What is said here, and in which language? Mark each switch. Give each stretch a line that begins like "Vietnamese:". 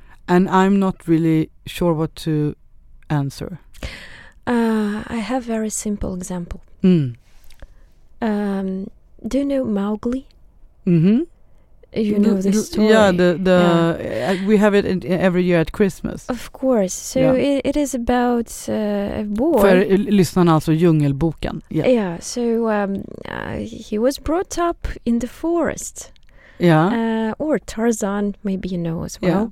English: And I'm not really sure what to answer. I have a very simple example. Mm. Do you know Mowgli? Mm-hmm. You know the story? Yeah, we have it every year at Christmas. Of course. So yeah. It is about a boy.
Swedish: För lyssnarna, alltså Djungelboken.
English: Yeah, yeah. So he was brought up in the forest. Yeah. Or Tarzan, maybe you know as well.